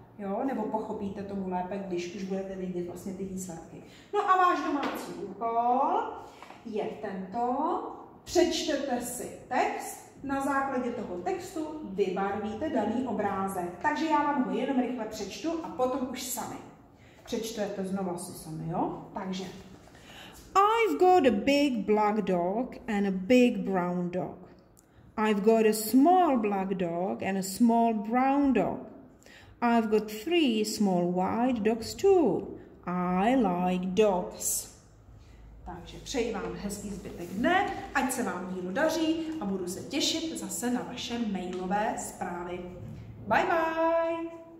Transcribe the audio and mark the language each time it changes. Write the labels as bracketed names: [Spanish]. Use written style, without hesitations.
[Czech] Jo, nebo pochopíte tomu lépe, když už budete vidět vlastně ty výsledky. No a váš domácí úkol je tento. Přečtete si text, na základě toho textu vybarvíte daný obrázek. Takže já vám ho jenom rychle přečtu a potom už sami. Přečtete znovu si sami, jo? Takže. [English] I've got a big black dog and a big brown dog. I've got a small black dog and a small brown dog. I've got three small white dogs too. I like dogs. [Czech] Takže přeji vám hezký zbytek dne, ať se vám dílu daří a budu se těšit zase na vaše mailové zprávy. [English] Bye bye!